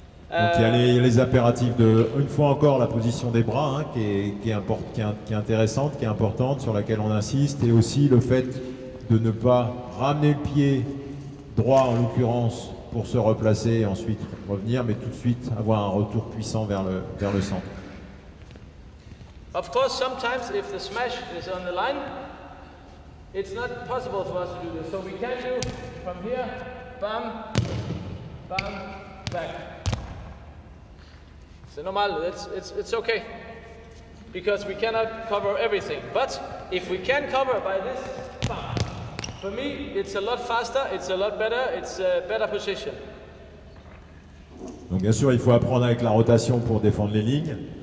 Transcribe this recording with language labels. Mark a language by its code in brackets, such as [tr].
[fr] Donc il y a les impératifs de, une fois encore, la position des bras hein, qui est intéressante, qui est importante, sur laquelle on insiste, et aussi le fait de ne pas ramener le pied droit, en l'occurrence, pour se replacer et ensuite revenir, mais tout de suite avoir un retour puissant vers le centre. [en] Of course, sometimes if the smash is on the line, it's not possible for us to do this. So we can do from here, bam. Bam, back. [fr] C'est normal, [en] it's okay. Because we cannot cover everything. But if we can cover by this, bam. For me, it's a lot faster, it's a lot better, it's a better position. [fr] Donc bien sûr, il faut apprendre avec la rotation pour défendre les lignes.